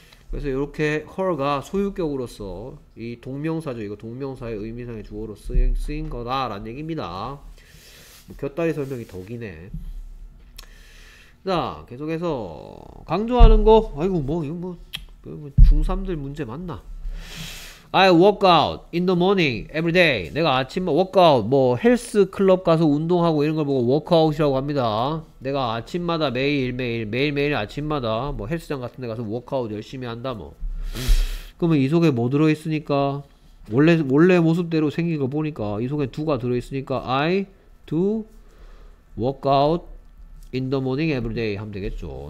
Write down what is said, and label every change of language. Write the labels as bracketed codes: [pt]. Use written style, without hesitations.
[ko] 그래서 이렇게 헐가 소유격으로서 이 동명사죠. 이거 동명사의 의미상의 주어로 쓰인 거다 라는 얘기입니다. 뭐 곁다리 설명이 더 기네. 자, 계속해서 강조하는 거. 아이고, 뭐 이거 뭐 중3들 문제 맞나? [en] I work out in the morning every day. [ko] 내가 아침 워크아웃 뭐 헬스 클럽 가서 운동하고 이런 걸 보고 워크아웃이라고 합니다. 내가 아침마다 매일매일 아침마다 뭐 헬스장 같은 데 가서 워크아웃 열심히 한다 뭐. 그러면 이 속에 뭐 들어 있으니까 원래 모습대로 생긴 거 보니까 이 속에 두가 들어 있으니까 [en] I do work out in the morning every day [ko] 하면 되겠죠.